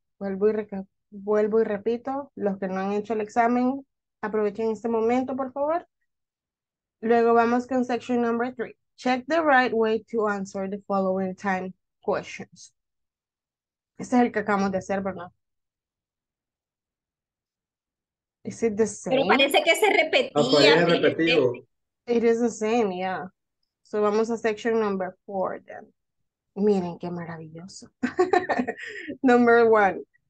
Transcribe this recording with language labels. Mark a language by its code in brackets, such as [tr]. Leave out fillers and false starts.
[es] Vuelvo y repito, los que no han hecho el examen, aprovechen este momento, por favor. Luego vamos con [en] section number three. Check the right way to answer the following time questions. [es] Este es el que acabamos de hacer, ¿verdad? [en] Is it the same? [es] Pero parece que se repetía. [en] Oh, it is the same, yeah. So [es] vamos a [en] section number four then. [es] Miren qué maravilloso. [en] Number one.